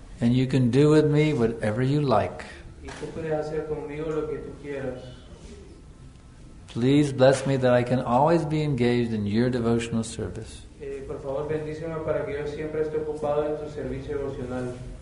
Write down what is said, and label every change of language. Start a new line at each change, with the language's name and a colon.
English: And you can do with me whatever you like.
Spanish: Y tú puedes hacer conmigo lo que tú quieras.
English: Please bless me that I can always be engaged in your devotional service.
Spanish: Por favor, bendíceme para que yo siempre esté ocupado en tu servicio devocional.